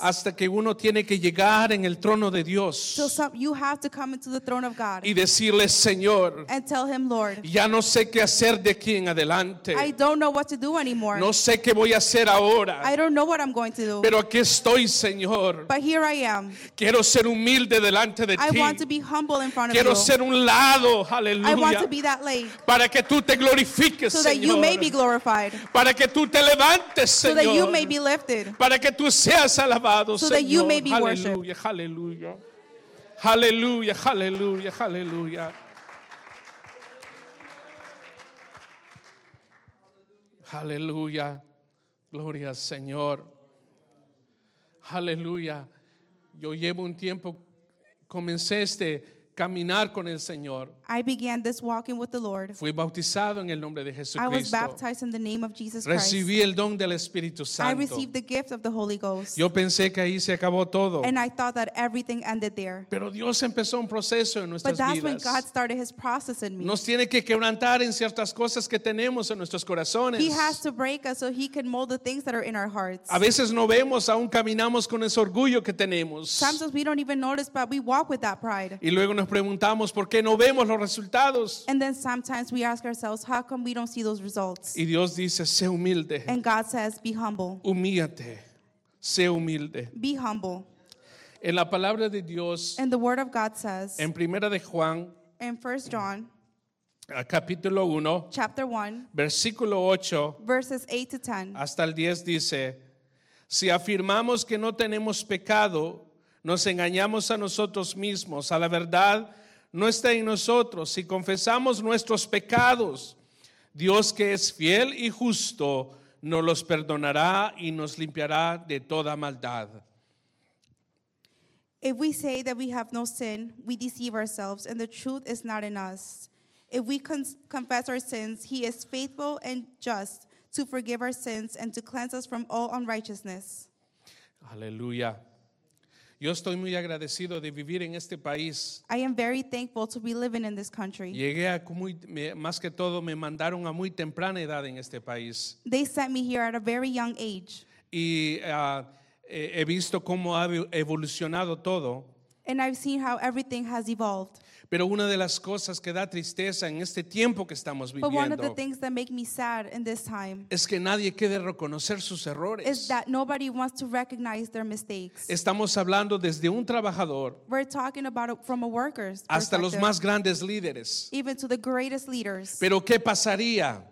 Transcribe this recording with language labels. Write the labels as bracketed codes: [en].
[es] hasta que uno tiene que llegar en el trono de Dios, [en] so you have to come into the throne of God, [es] y decirle, Señor, [en] and tell him, Lord, [es] ya no sé qué hacer de aquí en adelante, [en] I don't know what to do anymore, [es] no sé qué voy a hacer ahora, [en] I don't know what I'm going to do, [es] pero aquí estoy, Señor, [en] but here I am, [es] quiero ser humilde delante de [en] I [es] ti, [en] I want to be humble in front [es] quiero [en] of you, [es] quiero ser un lado. Aleluya. [en] I want to be that lake. [es] Para que tú te glorifiques, [en] so That you may be glorified. [es] Para que tú te levantes, [en] so [es] Señor. [en] That you may be lifted. [es] Para que tú seas alabado, [en] so [es] Señor. [en] That you may be [es] aleluya, [en] worshipped. [es] Aleluya, aleluya. Aleluya, aleluya, aleluya. Aleluya. Gloria al Señor. Aleluya. Yo llevo un tiempo, comencé este caminar con el Señor. [en] I began this walking with the Lord. [es] Fui bautizado en el nombre de Jesucristo. [en] I was baptized in the name of Jesus Christ. [es] Recibí el don del Espíritu Santo. [en] I received the gift of the Holy Ghost. [es] Yo pensé que ahí se acabó todo. [en] And I thought that everything ended there. [es] Pero Dios empezó un proceso en nuestras vidas. [en] But that's when God started his process in me. [es] Nos tiene que quebrantar en ciertas cosas que tenemos en nuestros corazones. [en] He has to break us so he can mold the things that are in our hearts. [es] A veces no vemos, aún caminamos con ese orgullo que tenemos. [en] Sometimes we don't even notice, but we walk with that pride. [es] Y luego nos preguntamos por qué no vemos los resultados. [en] And then sometimes we ask ourselves, how come we don't see those results? [es] Y Dios dice, sé humilde. [en] And God says, be humble. [es] Humíllate. Sé humilde. [en] Be humble. [es] En la palabra de Dios. [en] And the word of God says. [es] En primera de Juan. [en] In 1 John. [es] Capítulo 1. [en] Chapter 1. [es] Versículo 8. [en] Verses 8 to 10. [es] Hasta el 10 dice, si afirmamos que no tenemos pecado, nos engañamos a nosotros mismos. A la verdad, no está en nosotros. Si confesamos nuestros pecados, Dios, que es fiel y justo, nos los perdonará y nos limpiará de toda maldad. [en] If we say that we have no sin, we deceive ourselves and the truth is not in us. If we confess our sins, he is faithful and just to forgive our sins and to cleanse us from all unrighteousness. [es] Aleluya. Yo estoy muy agradecido de vivir en este país. [en] I am very thankful to be living in this country. [es] Llegué a muy, más que todo, me mandaron a muy temprana edad en este país. [en] They sent me here at a very young age. [es] Y he visto cómo ha evolucionado todo. [en] And I've seen how everything has evolved. [es] Pero una de las cosas que da tristeza en este tiempo que estamos viviendo. [en] But one of the things that make me sad in this time. [es] Es que nadie quiere reconocer sus errores. [en] Is that nobody wants to recognize their mistakes. [es] Estamos hablando desde un trabajador. [en] We're talking about it from a worker's [es] hasta los más grandes líderes. [en] Even to the greatest leaders. [es] Pero ¿qué pasaría?